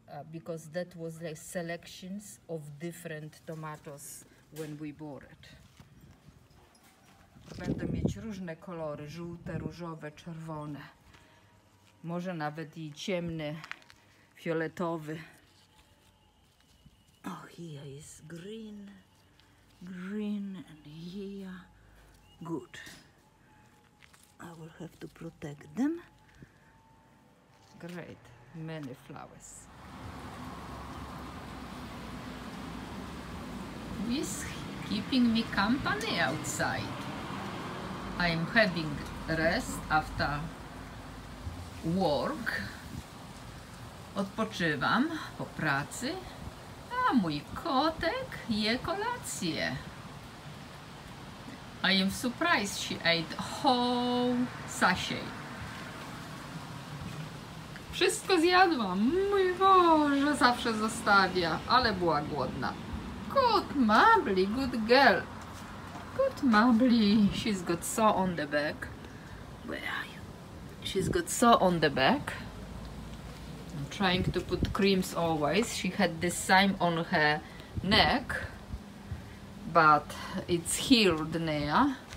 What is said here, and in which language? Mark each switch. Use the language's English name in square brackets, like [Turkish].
[English] Because that was like selections of different tomatoes when we bought it. [Polish] Będą mieć różne kolory, żółte, różowe, czerwone. Może nawet i ciemny, fioletowy. [English] Oh, here is green, green and here. Good. I will have to protect them. Great, many flowers. Who's keeping me company outside? I'm having rest after work. [Polish] Odpoczywam po pracy, a mój kotek je kolację. [English] I am surprised she ate whole sachet. [Polish] Wszystko zjadłam, mój Boże, zawsze zostawia, ale była głodna. [English] Good mably, good girl. Good mably, she's got so on the back. Where are you? She's got so on the back. I'm trying to put creams always. She had the same on her neck, but it's healed now.